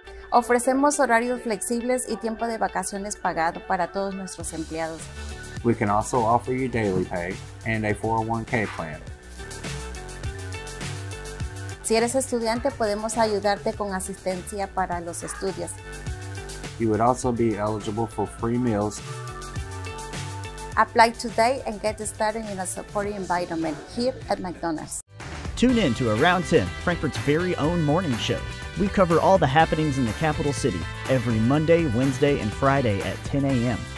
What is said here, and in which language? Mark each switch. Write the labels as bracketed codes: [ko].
[es] Ofrecemos horarios flexibles y tiempo de vacaciones pagado para todos nuestros empleados. [en] We can also offer you daily pay and a 401k plan. [es] Si eres estudiante, podemos ayudarte con asistencia para los estudios. [en] You would also be eligible for free meals. Apply today and get started in a supportive environment here at McDonald's. Tune in to Around 10, Frankfurt's very own morning show. We cover all the happenings in the capital city every Monday, Wednesday, and Friday at 10 a.m.